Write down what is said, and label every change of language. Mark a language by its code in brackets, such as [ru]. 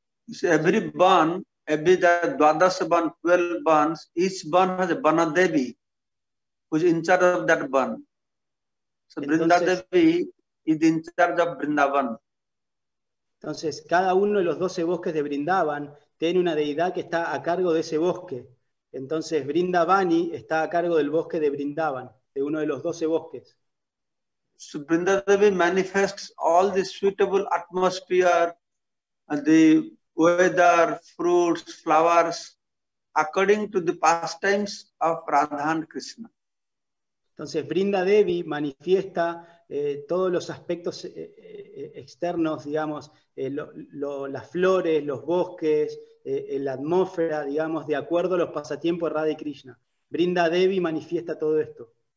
[en] So every barn, every Dwadasa barn, 12 barns, each barn has a Banadevi, who is in charge of that barn. So Vrindadevi is in charge of Vrindavan. [es] Entonces, cada uno de los 12 bosques de Vrindavan tiene una deidad que está a cargo de ese bosque. Entonces, Vrindavani está a cargo del bosque de Vrindavan, de uno de los 12 bosques. [en] So, Vrindadevi manifests all the suitable atmosphere, the weather, fruits, flowers, according to the pastimes of Radha and Krishna. [es] Entonces, Vrindadevi manifiesta todos los aspectos externos, digamos, las flores, los bosques, la atmósfera, digamos, de acuerdo a los pasatiempos de Radha y Krishna. Vrindadevi manifiesta todo esto.